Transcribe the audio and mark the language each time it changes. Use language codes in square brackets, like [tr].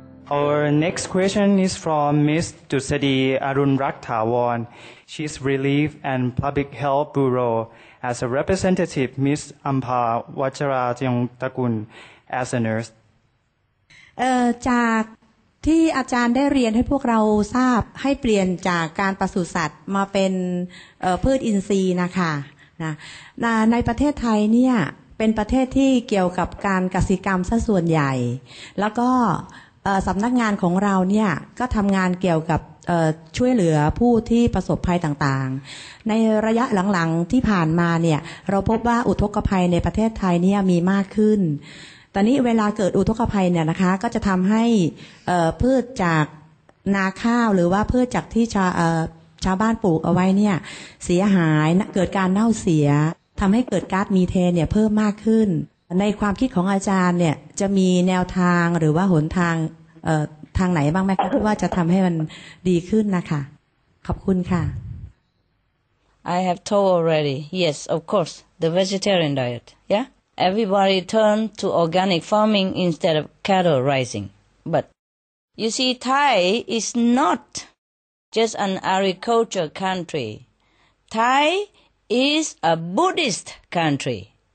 [en] Our next question is from Ms. Dusadi Arunrak Thawon. She's Relief and Public Health Bureau. As a representative, Ms. Ampa Wacharajong Takun as a nurse. [th] จากที่อาจารย์ได้เรียนให้พวกเราทราบให้เปลี่ยนจากการปศุสัตว์มาเป็นพืชอินทรีย์นะคะนะในประเทศไทยเนี่ยเป็นประเทศที่เกี่ยวกับการกสิกรรมซะส่วนใหญ่แล้วก็ สำนักงานของเราเนี่ยก็ทำงานเกี่ยวกับช่วยเหลือผู้ที่ประสบภัยต่างๆในระยะหลังๆที่ผ่านมาเนี่ยเราพบว่าอุทกภัยในประเทศไทยเนี่ยมีมากขึ้นตอนนี้เวลาเกิดอุทกภัยเนี่ยนะคะก็จะทำให้พืชจากนาข้าวหรือว่าพืชจากที่ ชาวบ้านปลูกเอาไว้เนี่ยเสียหายเกิดการเน่าเสียทำให้เกิดก๊าซมีเทนเนี่ยเพิ่มมากขึ้นในความคิดของอาจารย์เนี่ยจะมีแนวทางหรือว่าหนทางทางไหนบ้างไหมคะที่ว่าจะทำให้มันดีขึ้นนะคะขอบคุณค่ะ [en] I have told already yes of course the vegetarian diet yeah everybody turn to organic farming instead of cattle raising but you see Thai is not just an agriculture country Thaiis a Buddhist country.